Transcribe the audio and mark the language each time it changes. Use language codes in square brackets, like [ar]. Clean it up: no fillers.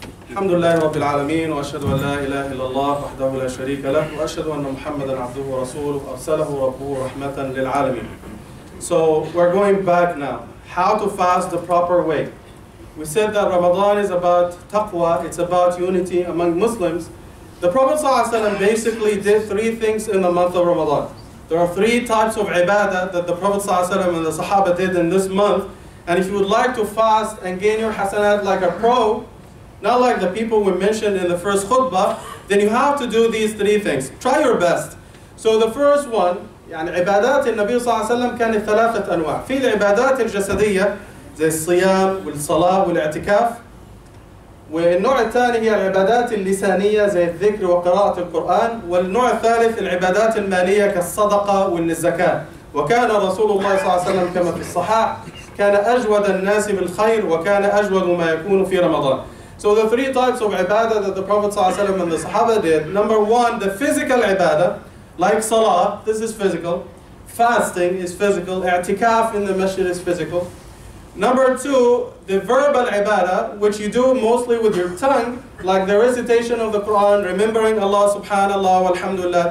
[ar] الحمد لله رب العالمين وأشهد أن لا إله إلا الله وحده لا شريك له وأشهد أن محمدا عبده ورسوله أرسله ربه رحمة للعالمين. [en] So we're going back now. How to fast the proper way. We said that Ramadan is about taqwa, it's about unity among Muslims. The Prophet صلى الله عليه وسلم basically did 3 things in the month of Ramadan. There are 3 types of ibadah that the Prophet صلى الله عليه وسلم and the Sahaba did in this month. And if you would like to fast and gain your hasanat like a pro, not like the people we mentioned in the first khutbah, then you have to do these 3 things. Try your best. So the first one [ar] يعني عبادات النبي صلى الله عليه وسلم كانت ثلاثة أنواع. في العبادات الجسدية زي الصيام والصلاة والاعتكاف. والنوع الثاني هي العبادات اللسانية زي الذكر وقراءة القرآن. والنوع الثالث العبادات المالية كالصدقة والزكاة. وكان رسول الله صلى الله عليه وسلم كما في الصحاح كان أجود الناس بالخير وكان أجود ما يكون في رمضان. [en] So the three types of ibadah that the Prophet صلى الله عليه وسلم and the Sahaba did. Number one, the physical ibadah, like salah, this is physical. Fasting is physical. I'tikaf in the masjid is physical. Number two, the verbal ibadah, which you do mostly with your tongue, like the recitation of the Quran, remembering Allah subhanallah wa alhamdulillah.